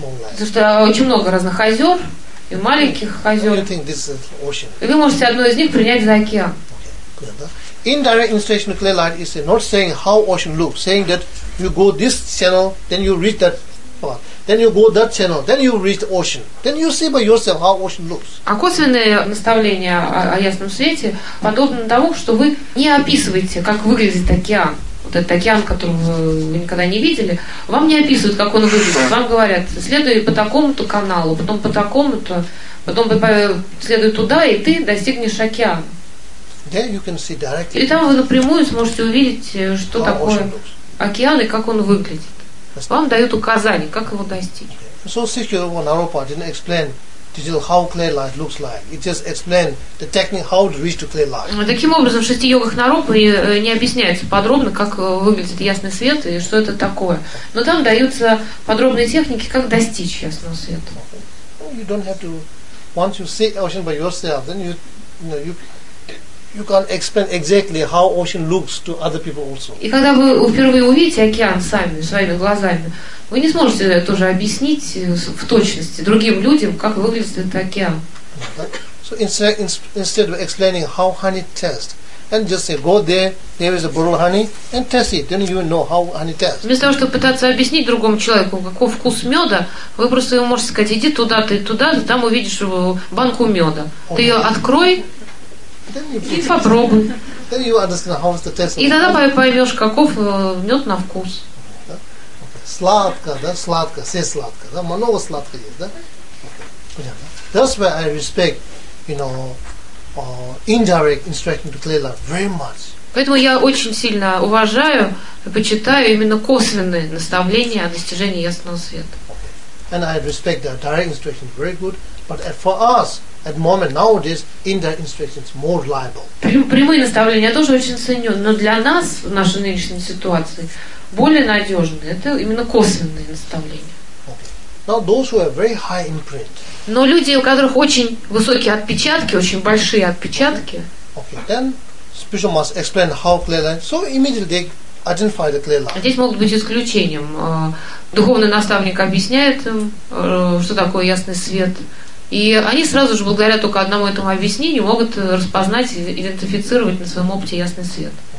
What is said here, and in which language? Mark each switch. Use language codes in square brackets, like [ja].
[ru] Потому что очень много разных озер. И маленьких озер. И вы можете одно из них принять за океан. [en] Indirect instruction to clear light is not saying how ocean looks, saying that you go this channel, then you reach that part, then you go that channel, then you reach the ocean, then you see by yourself how ocean looks. [ru] А косвенное наставление о ясном свете подобно тому, что вы не описываете, как выглядит океан. Вот этот океан, которого вы никогда не видели, вам не описывают, как он выглядит. Вам говорят, следуй по такому-то каналу, потом по такому-то, потом следуй туда, и ты достигнешь океана. [en] There you can see directly. [ru] И там вы напрямую сможете увидеть, что такое океан и как он выглядит. Вам дают указания, как его достичь. [en] So Sikyo Naropa didn't explain how clear light looks like. It just explains the technique how to reach to clear light. [ru] Таким образом, в шести йогах Наропы не объясняется подробно, как выглядит ясный свет и что это такое. Но там даются подробные техники, как достичь ясного света. [en] You don't have to. Once you see ocean by yourself, then you can't explain exactly how ocean looks to other people also. [ru] И когда вы впервые увидите океан сами своими глазами, вы не сможете тоже объяснить в точности другим людям, как выглядит этот океан. [en] So instead of explaining how honey tastes, and just say go there is a bottle of honey and test it, then you know how honey tastes. [ru] Вместо того, чтобы пытаться объяснить другому человеку, каков вкус меда, вы просто ему можете сказать: иди туда, ты туда, ты там увидишь банку меда. Ты ее открой. И попробуй. И тогда поймешь, каков мед на вкус. Сладко, да, сладко, все сладко, да, много сладко есть, да. [en] That's why I respect, you know, indirect instruction to clear light very much. [ru] Поэтому я очень сильно уважаю и почитаю именно косвенные наставления о достижении ясного света. [en] And I respect the direct instruction very good, but for us. At the moment, nowadays, indirect instruction is more reliable. [ru] Прямые наставления я тоже очень ценю, но для нас в нашей нынешней ситуации более надежные это именно косвенные наставления. [en] Okay. Now those who have very high imprint. [ru] Но люди, у которых очень высокие отпечатки, очень большие отпечатки. [en] Okay. Then spiritual must explain how clear line. So immediately they identify the clear line. [ru] Здесь могут быть исключением. Духовный наставник объясняет им, что такое ясный свет. И они сразу же, благодаря только одному этому объяснению, могут распознать и идентифицировать на своем опыте ясный свет.